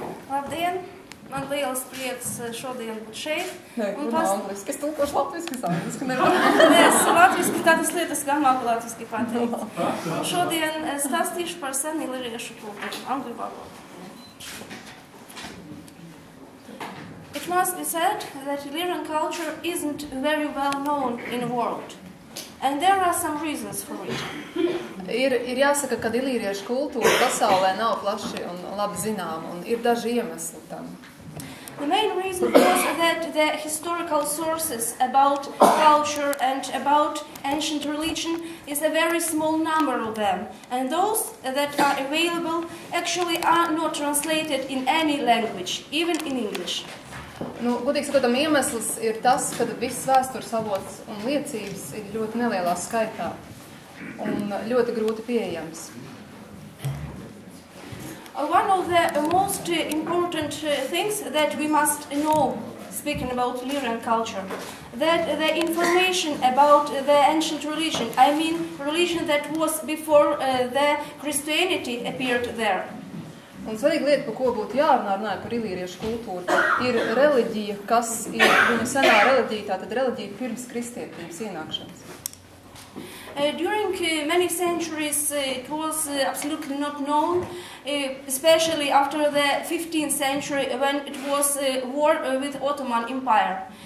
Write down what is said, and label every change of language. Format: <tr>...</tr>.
<lv>Labdien, man liels prieks šodien būt šeit. Nē, un angliski, es tulkošu latviski, es angliski nevaru. Nē, es latviski, tādas lietas gan māku latviski pateikt. Šodien es stāstīšu par senī liriešu kultūru, angļu valodu.</lv> <en>It must be said that Illyrian culture isn't very well known in the world. And there are some reasons for it.</en> <lv>Ir jāsaka, ka illīriešu kultūra pasaulē nav plaši un labi zināma, un ir daži iemesli tam.</lv> <en>The main reason was that the historical sources about culture and about ancient religion is a very small number of them, and those that are available actually are not translated in any language, even in English.</en> <lv>Nu, godīgi sakotam, iemesls ir tas, ka viss vēstures avots un liecības ir ļoti nelielā skaitā un ļoti grūti pieejams.</lv> <en>One of the most important things that we must know, speaking about Illyrian culture, that the information about the ancient religion, I mean religion that was before the Christianity appeared there.</en> <lv>Un svarīga lieta, par ko būtu jārunā, runāja par illīriešu kultūru, ir reliģija, kas ir viņa senā reliģija, tātad reliģija pirms kristietības ienākšanas.</lv> <en>During many centuries it was absolutely not known, especially after the 15th century when it was war with Ottoman Empire.</en>